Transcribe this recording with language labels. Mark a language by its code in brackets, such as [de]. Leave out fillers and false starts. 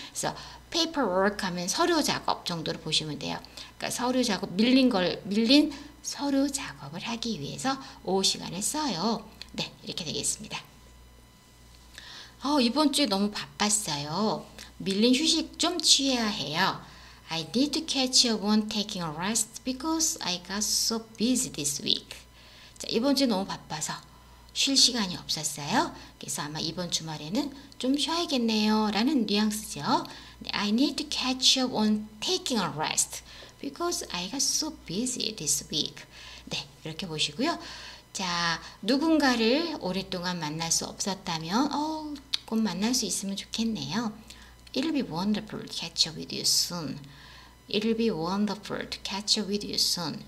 [ko] 그래서 paperwork 하면 서류 작업 정도로 보시면 돼요. 그러니까 서류 작업 밀린 걸 밀린 서류 작업을 하기 위해서 오후 시간을 써요. 네, 이렇게 되겠습니다. 이번 주에 너무 바빴어요. 밀린 휴식 좀 취해야 해요. [en] I need to catch up on taking a rest because I got so busy this week. [ko] 자, 이번 주에 너무 바빠서 쉴 시간이 없었어요. 그래서 아마 이번 주말에는 좀 쉬어야겠네요. 라는 뉘앙스죠. [en] I need to catch up on taking a rest. Because I got so busy this week. [ko] 네, 이렇게 보시고요. 자, 누군가를 오랫동안 만날 수 없었다면 꼭 만날 수 있으면 좋겠네요. [en] It'll be wonderful to catch up with you soon. It'll be wonderful to catch up with you soon.